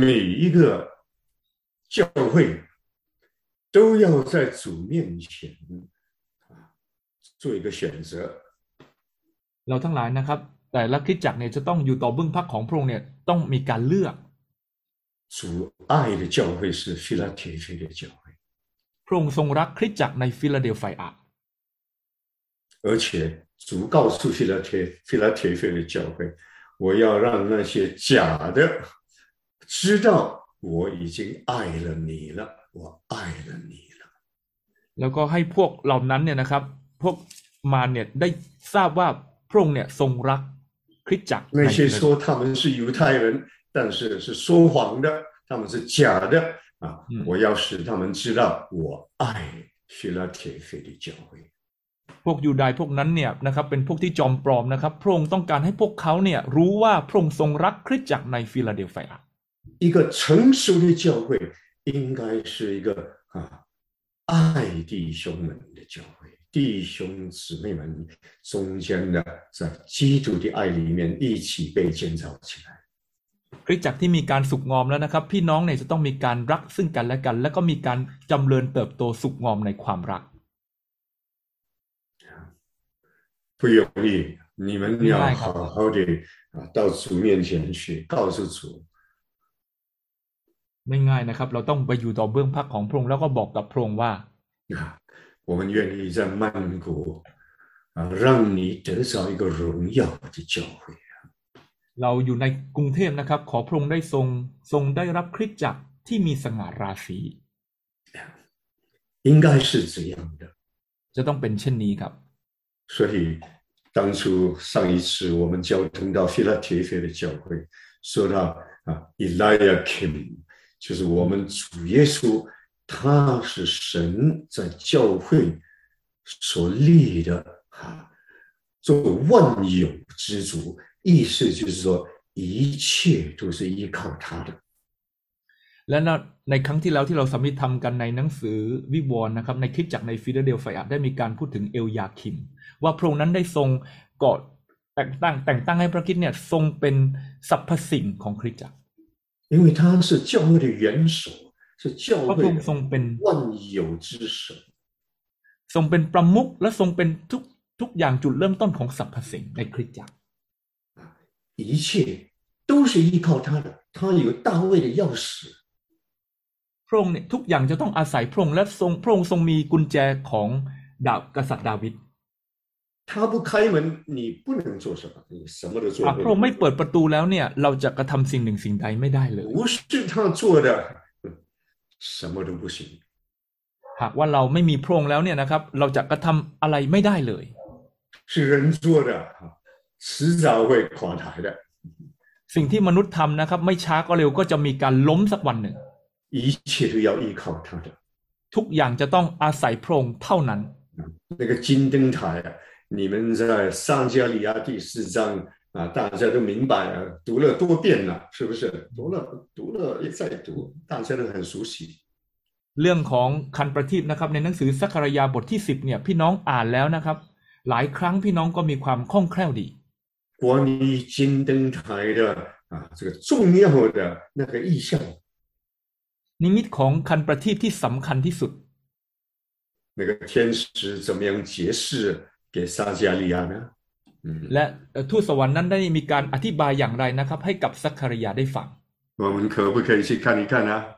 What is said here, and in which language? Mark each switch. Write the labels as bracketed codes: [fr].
[zh] 每一个教会都要在主面前做一个选择 [th] เราทั้งหลายนะครับแต่ละคริสตจักรเนี่ยจะต้องอยู่ต่อเบื้องพระของพระองค์เนี่ยต้องมีการเลือก [zh] 主爱的教会是菲拉铁菲的教会 [th] พระองค์ทรงรักคริสตจักรในฟิลาเดลไฟอะ [zh] 而且主告诉腓立帖菲的教会，我要让那些假的知道我已经爱了你了，我爱了你了。 [th] แล้วก็ให้พวกเหล่านั้นเนี่ยนะครับพวกมารเนี่ยได้ทราบว่าพระองค์เนี่ยทรงรักคริสตจักร [zh] 那些说他们是犹太人，但是是说谎的，他们是假的啊！我要使他们知道我爱腓立帖菲的教会。 [th] พวกยูดายพวกนั้นเนี่ยนะครับเป็นพวกที่จอมปลอมนะครับพระองค์ต้องการให้พวกเขาเนี่ยรู้ว่าพระองค์ทรงรักคริสตจักรในฟิลาเดลเฟีย [zh] 一个成熟的教会应该是一个爱弟兄们的教会弟兄姊妹们中间的在基督的爱里面一起被建造起来 [th] คริสตจักรที่มีการสุขงอมแล้วนะครับพี่น้องเนี่ยจะต้องมีการรักซึ่งกันและกันแล้วก็มีการจำเริญเติบโตสุขงอมในความรัก [zh] 不容易，你们要好好的到主面前去，告诉主。 [th] ไม่ง่ายนะครับเราต้องไปอยู่ต่อเบื้องพระของพระองค์แล้วก็บอกกับพระองค์ว่า [zh] 我们愿意在曼谷让你得到一个荣耀的教会。 [th] เราอยู่ในกรุงเทพนะครับขอพระองค์ได้ทรงได้รับคริสตจักรที่มีสง่าราศี [zh] 应该是这样的。 [th] จะต้องเป็นเช่นนี้ครับ [zh] 所以当初上一次我们交通到腓立帖菲的教会说到 Eliakim 就是我们主耶稣他是神在教会所立的啊，做万有之主，意思就是说一切都是依靠他的。 [th] และในครั้งที่แล้วที่เราสัมมิทำกันในหนังสือวิวรณ์นะครับในคริสตจักรในฟิลาเดลเฟียได้มีการพูดถึงเอลยาคิมว่าพระองค์นั้นได้ทรงก่อแต่งตั้งให้พระคิดเนี่ยทรงเป็นสรรพสิ่งของคริสตจักร [zh] 因为他是教会的元首是教会 [th] ทรงเป็น [zh] 万有之神 [th] ทรงเป็นประมุขและทรงเป็นทุกอย่างจุดเริ่มต้นของสรรพสิ่งในคริสตจักร [zh] 一切都是依靠他的他有大卫的钥匙 [th] พระองค์เนี่ยทุกอย่างจะต้องอาศัยพระองค์และทรงพระองค์ทรงมีกุญแจของดาวกษัตริย์ดาวิด [zh] 他不开门你不能做什么你什么都做不了 [th] พระองค์ไม่เปิดประตูแล้วเนี่ยเราจะกระทำสิ่งหนึ่งสิ่งใดไม่ได้เลย [zh] 不是他做的什么都不行 [th] หากว่าเราไม่มีพระองค์แล้วเนี่ยนะครับเราจะกระทำอะไรไม่ได้เลย [zh] 是人做的迟早会垮台的 [th] สิ่งที่มนุษย์ทำนะครับไม่ช้าก็เร็วก็จะมีการล้มสักวันหนึ่ง [zh] 一切都要依靠他的 [th] ทุกอย่างจะต้องอาศัยพระองค์เท่านั้น [zh] 那个金灯台啊你们在撒加利亚第四章啊大家都明白啊读了多遍了是不是读了再读大家都很熟悉 [th] เรื่องของคันประทีปนะครับในหนังสือซักคารยาบทที่10เนี่ยพี่น้องอ่านแล้วนะครับหลายครั้งพี่น้องก็มีความคล่องแคล่วดี [zh] 关于金灯台的啊这个重要的那个意象 [th] นิมิตของคันประทีปที่สำคัญที่สุด [zh] 那个天使怎么样解释给撒加利亚呢 [th] และทูตสวรรค์นั้นได้มีการอธิบายอย่างไรนะครับให้กับซักคารยาได้ฟัง [zh] 我们可不可以去看一看呢